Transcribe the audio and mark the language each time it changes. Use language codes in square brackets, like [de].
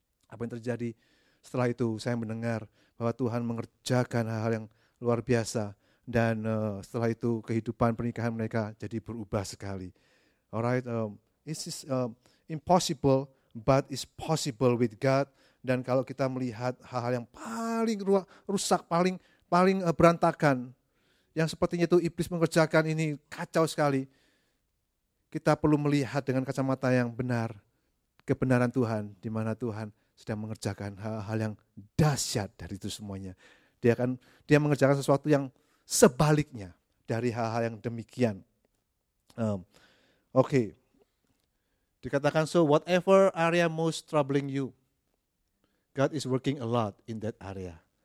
[id] Apa yang terjadi setelah itu? Saya mendengar bahwa Tuhan mengerjakan hal-hal yang luar biasa, dan setelah itu kehidupan pernikahan mereka jadi berubah sekali. [en] Alright, it is impossible but is possible with God. [id] Dan kalau kita melihat hal-hal yang paling rusak, paling berantakan, yang sepertinya itu iblis mengerjakan ini kacau sekali, kita perlu melihat dengan kacamata yang benar kebenaran Tuhan, di mana Tuhan sedang mengerjakan hal-hal yang dahsyat dari itu semuanya. Dia mengerjakan sesuatu yang sebaliknya dari hal-hal yang demikian. Okay. Dikatakan, [en] so whatever area most troubling you, God is working a lot in that area.